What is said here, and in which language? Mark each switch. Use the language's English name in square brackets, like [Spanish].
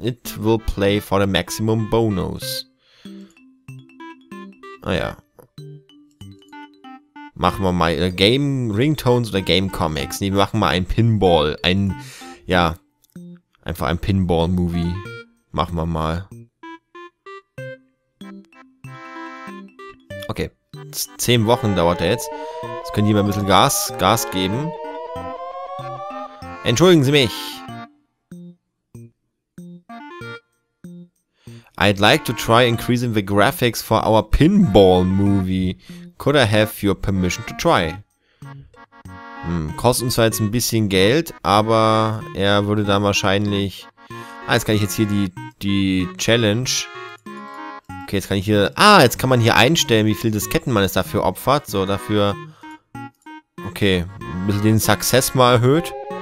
[English] It will play for the maximum bonus. [German] Ah ja. Machen wir mal Game Ringtones oder Game Comics. Nee, wir machen mal ein Pinball. Ein, ja, einfach ein Pinball-Movie. Machen wir mal. Okay, 10 Wochen dauert er jetzt. Jetzt können die mal ein bisschen Gas geben. Entschuldigen Sie mich. [English] I'd like to try increasing the graphics for our pinball movie. Could I have your permission to try? [German] Hm, kostet uns zwar jetzt ein bisschen Geld, aber er würde dann wahrscheinlich... Ah, jetzt kann ich jetzt hier die Challenge... Okay, jetzt kann ich hier... Ah, jetzt kann man hier einstellen, wie viele Disketten man es dafür opfert. So, dafür... Okay, ein bisschen den Success mal erhöht.